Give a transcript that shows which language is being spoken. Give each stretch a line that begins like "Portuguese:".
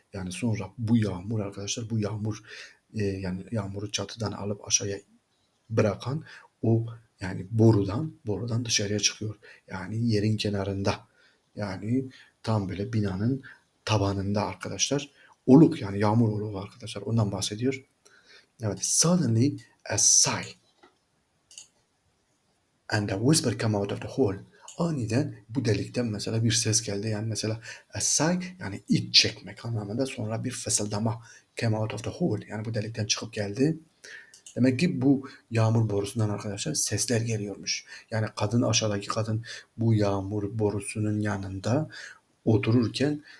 Turkish: Yani sonra bu yağmur arkadaşlar, bu yağmur, yani yağmuru çatıdan alıp aşağıya bırakan o, yani borudan dışarıya çıkıyor. Yani yerin kenarında, yani tam böyle binanın tabanında arkadaşlar. Oluk, yani yağmur oluğu arkadaşlar, ondan bahsediyor. Evet.
English: Suddenly a sigh and a whisper came out of the hole.
Turkish: Aniden bu delikten mesela bir ses geldi. Yani mesela a sigh, yani iç çekmek anlamında. Sonra bir fısıldama,
English: came out of the hole,
Turkish: yani bu delikten çıkıp geldi. Demek ki bu yağmur borusundan arkadaşlar sesler geliyormuş. Yani kadın, aşağıdaki kadın bu yağmur borusunun yanında otururken,